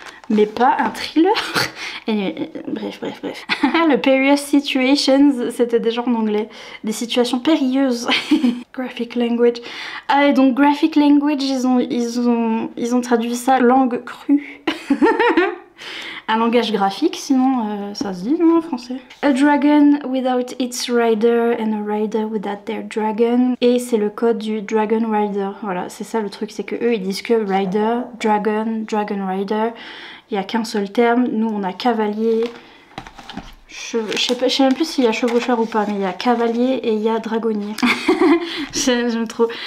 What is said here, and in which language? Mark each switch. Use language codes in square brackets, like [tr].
[fr] Mais pas un thriller. Bref. Le Perilous Situations, c'était déjà en anglais. Des situations périlleuses. Graphic language. Ah, et donc graphic language, ils ont traduit ça langue crue. Un langage graphique, sinon ça se dit, non, en français. [en] A dragon without its rider and a rider without their dragon. [fr] Et c'est le code du dragon rider. Voilà, c'est ça le truc, c'est que eux ils disent que rider, dragon, dragon rider. Il n'y a qu'un seul terme. Nous on a cavalier. Je sais même plus s'il y a chevaucheur ou pas, mais il y a cavalier et il y a dragonnier. J'aime trop.